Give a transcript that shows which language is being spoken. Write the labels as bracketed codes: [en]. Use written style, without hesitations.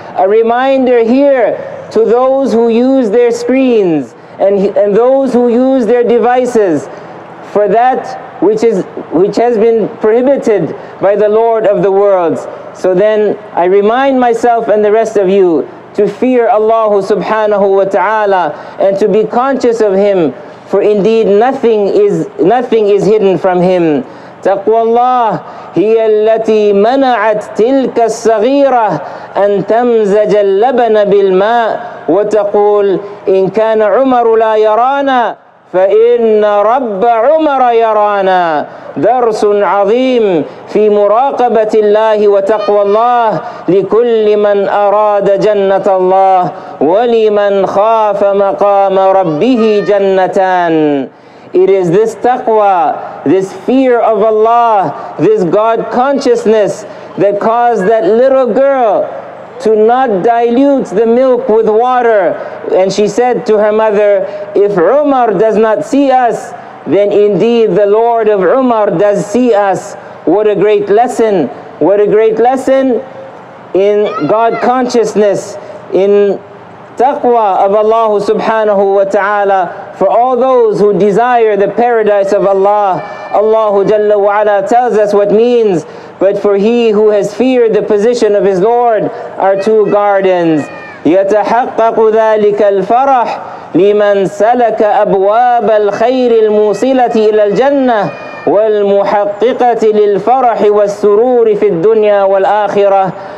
[en] A reminder here to those who use their screens and those who use their devices for that which has been prohibited by the Lord of the worlds. So then I remind myself and the rest of you to fear Allah subhanahu wa ta'ala and to be conscious of Him. For indeed nothing is hidden from him. [ar] تقوى الله هي التي منعت تلك الصغيرة أن تمزج اللبن بالماء وتقول إن كان عمر لا يرانا فإن رب عمر يرانا. درس عظيم في مراقبة الله وتقوى الله لكل من أراد جنة الله ولمن خاف مقام ربه جنتان. [en] It is this taqwa, this fear of Allah, this God consciousness that caused that little girl to not dilute the milk with water. And she said to her mother, if Umar does not see us, then indeed the Lord of Umar does see us. What a great lesson. What a great lesson in God consciousness, in taqwa of Allah subhanahu wa ta'ala. For all those who desire the paradise of Allah, Allah Jalla wa Ala tells us what means. But for he who has feared the position of his Lord are two gardens. [ar] يتحقق ذلك الفرح لمن سلك أبواب الخير الموصلة إلى الجنة والمحققة للفرح والسرور في الدنيا والآخرة.